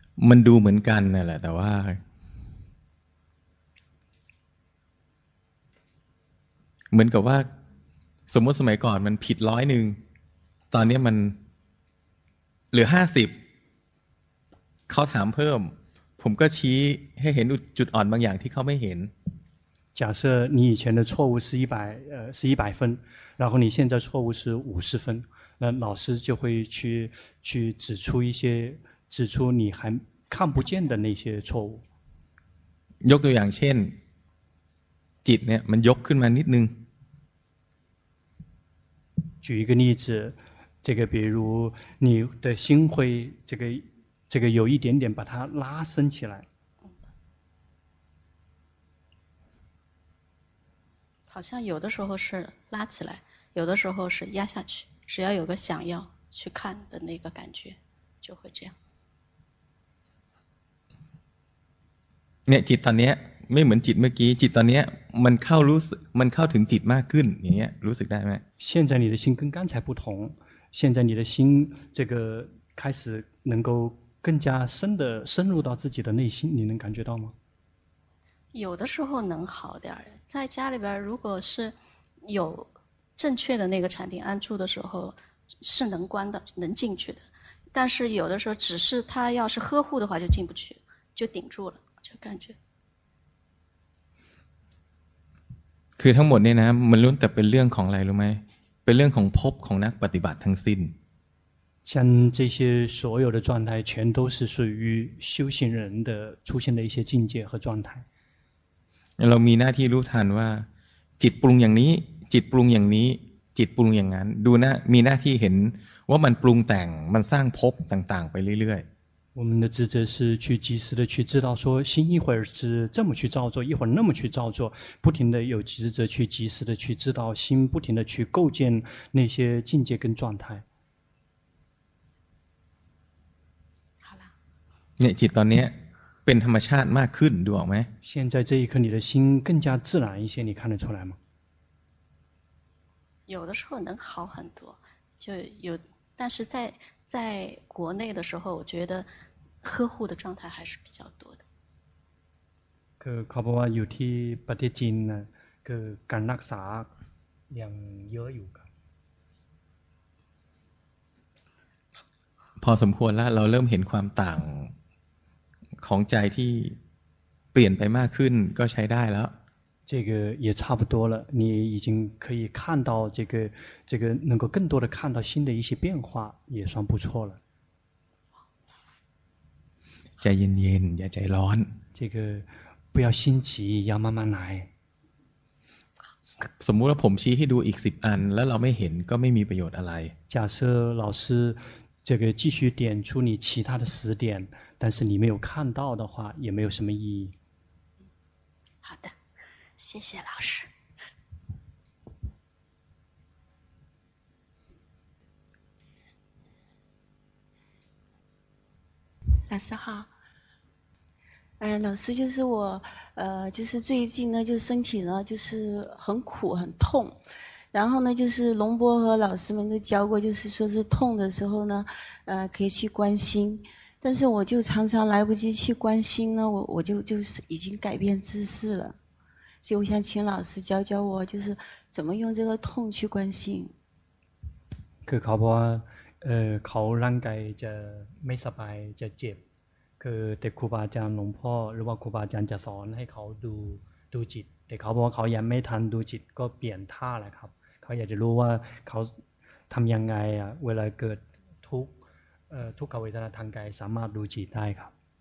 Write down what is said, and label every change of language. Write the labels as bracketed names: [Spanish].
[Thai] มันดูเหมือนกันนั่นแหละแต่ว่าเหมือนกับว่าสมมติสมัยก่อนมันผิดร้อยหนึ่งตอนนี้มันเหลือ50เขาถามเพิ่มผมก็ชี้ให้เห็นจุดอ่อนบางอย่างที่เขาไม่เห็น [Chinese] 假设你以前的错误是100分然后你现在错误是50分那老师就会去指出一些指出你还看不见的那些错误 [Thai] ยกตัวอย่างเช่นจิตเนี่ยมันยกขึ้นมานิดนึง [Chinese] 举一个例子这个比如你的心会这个有一点点把它拉伸起来好像有的时候是拉起来有的时候是压下去只要有个想要去看的那个感觉就会这样 [Thai] เนี่ยจิตตอนนี้ไม่เหมือนจิตเมื่อกี้จิตตอนนี้มันเข้ารู้สึกมันเข้าถึงจิตมากขึ้นอย่างเงี้ยรู้สึกได้ไหม [Chinese] 现在你的心跟刚才不同现在你的心这个开始能够更加深的深入到自己的内心你能感觉到吗有的时候能好点在家里边如果是有正确的那个禅定安住的时候是能关的能进去的但是有的时候只是他要是呵护的话就进不去就顶住了就感觉 [Thai] คือทั้งหมดเนี่ยนะมันล้วนแต่เป็นเรื่องของอะไรรู้ไหมเป็นเรื่องของภพของนักปฏิบัติทั้งสิ้น [Chinese] 像这些所有的状态全都是属于修行人的出现的一些境界和状态 [Thai] เรามีหน้าที่รู้ทันว่าจิตปรุงอย่างนี้จิตปรุงอย่างนี้จิตปรุงอย่างนั้นดูนะมีหน้าที่เห็นว่ามันปรุงแต่งมันสร้างภพต่างๆไปเรื่อย [Chinese] ๆ我们的职责是去及时的去知道说心一会儿是这么去造作一会儿那么去造作不停的有职责去及时的去知道心不停的去构建那些境界跟状态 [Thai] เนี่ยจิตตอนนี้เป็นธรรมชาติมากขึ้นดูออกไหม [Chinese] 现在这一刻你的心更加自然一些你看得出来吗有的时候能好很多就有但是在国内的时候我觉得呵护的状态还是比较多的 [Thai] คือเขาบอกว่าอยู่ที่ประเทศจีนนะคือการรักษายังเยอะอยู่ครับ พอสมควรแล้วเราเริ่มเห็นความต่างของใจที่เปลี่ยนไปมากขึ้นก็ใช้ได้แล้ว [Chinese] 这个也差不多了你已经可以看到这个能够更多的看到新的一些变化也算不错了 [Thai] ใจเย็นๆอย่าใจร้อน [Chinese] 这个不要心急要慢慢来 [Thai] สมมุติว่าผมชี้ให้ดูอีก10อันแล้วเราไม่เห็นก็ไม่มีประโยชน์อะไร [Chinese] 假设老师这个继续点出你其他的十点但是你没有看到的话也没有什么意义好的谢谢老师老师好老师就是我就是最近呢就身体呢就是很苦很痛然后呢就是龙波和老师们都教过就是说是痛的时候呢可以去关心但是我就常常来不及去关心呢我就是已经改变姿势了所以我想请老师教教我就是怎么用这个痛去关心 [Thai] คือเขาบอกว่าเขาร่างกายจะไม่สบายจะเจ็บคือแต่ครูบาอาจารย์หลวงพ่อหรือว่าครูบาอาจารย์จะสอนให้เขาดูจิตแต่เขาบอกเขายังไม่ทันดูจิตก็เปลี่ยนท่าแหละครับเขาอยากจะรู้ว่าเขาทำยังไงอ่ะเวลาเกิดทุกขเวทนาทางกายสามารถดูจิตได้ครับ